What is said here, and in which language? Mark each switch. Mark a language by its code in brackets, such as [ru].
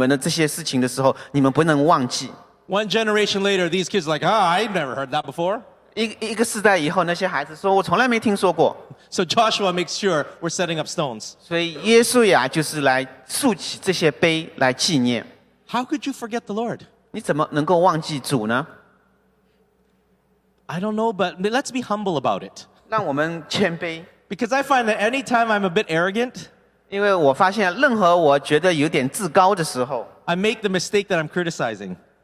[zh] 所以也是你们要记得,当我祝福你们的这些事情的时候,你们不能忘记。 [en] One generation later, these kids are like, ah, I've never heard that before. [zh] 一个世代以后,那些孩子说,我从来没听说过。 [en] So Joshua makes sure we're setting up stones. [zh] 所以耶稣亚就是来竖起这些碑来纪念。 [en] How could you forget the Lord? [zh] 你怎么能够忘记主呢? [en] I don't know, but let's be humble about it. Because I find that anytime I'm a bit arrogant, I make the mistake that I'm criticizing.